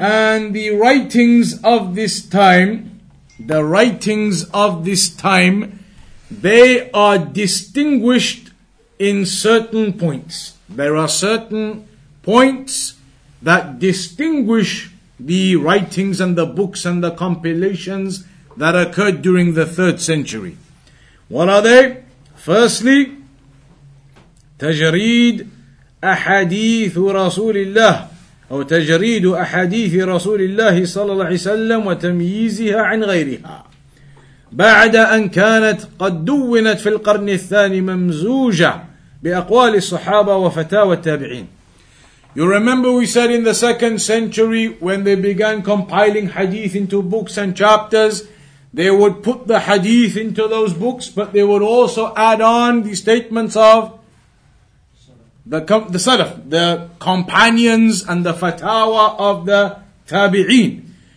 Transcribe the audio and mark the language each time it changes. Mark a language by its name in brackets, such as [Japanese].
[English] And the writings of this time, they are distinguished in certain points. There are certain points that distinguish the writings and the books and the compilations that occurred during the third century. What are they? Firstly, [Arabic] تجريد أحاديث رسول الله أو تجريد أحاديث رسول الله صلى الله عليه وسلم وتمييزها عن غيرها بعد أن كانت قد دونت في القرن الثاني ممزوجة بأقوال الصحابة وفتاوى التابعين. [English] You remember we said in the second century when they began compiling hadith into books and chapters, they would put the hadith into those books, but they would also add on the statements of the salaf, the companions and the fatawa of the tabi'een.